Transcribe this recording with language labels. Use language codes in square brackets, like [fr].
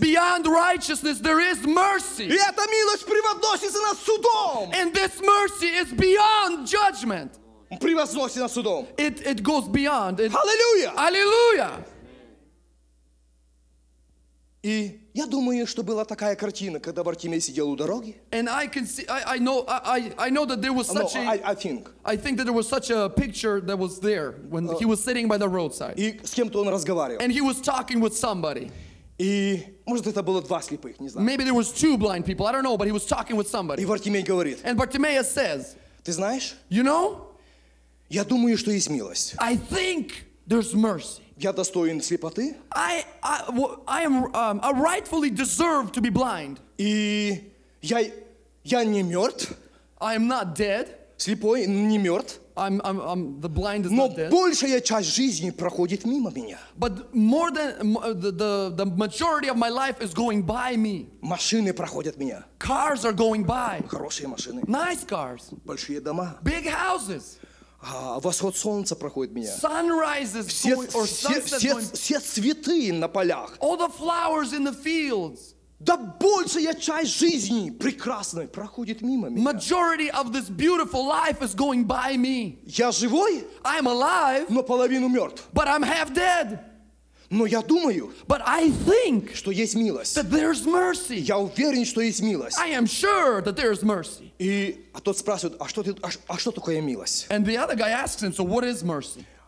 [en] Beyond righteousness there is mercy. [ru] И эта милость превозносится над судом. [en] And this mercy is beyond judgment. [ru] Превозносится над судом. [en] It goes beyond. [ru] Аллилуйя. Аллилуйя. И я думаю, что была такая картина, когда Бартимей сидел у дороги. [en] And I can see, I know that there was such no, a... I think that there was such a picture that was there when he was sitting by the roadside. [ru] И с кем-то он разговаривал. [en] And he was talking with somebody. [ru] И может это было два слепых, не знаю. [en] Maybe there was two blind people, I don't know, but he was talking with somebody. [ru] И Бартимей говорит. [en] And Bartimaeus says. [ru] Ты знаешь? [en] You know? [ru] Я думаю, что есть милость. [en] I think there's mercy. [ru] Я достоин слепоты. [en] I rightfully deserve to be blind. [ru] И я не мертв. [en] I am not dead. [ru] Слепой не мертв. [en] I'm the blind is [ru] Но [en] not dead. [ru] Но большая часть жизни проходит мимо меня. [en] But more than the majority of my life is going by me. [ru] Машины проходят меня. [en] Cars are going by. [ru] Хорошие машины. [en] Nice cars. [ru] Большие дома. [en] Big houses. [ru] Восход солнца проходит меня. [en] Sunrises, [ru] все цветы на полях. [en] All the flowers in the fields. [ru] Да большая часть жизни прекрасной проходит мимо меня. [en] Majority of this beautiful life is going by me. [ru] Я живой? [en] I'm alive. [ru] Но половину мертв. [en] But I'm half dead. [ru] Но я думаю, [en] but I think [ru] что есть милость. [en] That there's mercy. [ru] Я уверен, что есть милость. [en] I am sure that there's mercy. [ru] И а тот спрашивает, что такое милость? [en] And the other guy asks him, so what is mercy?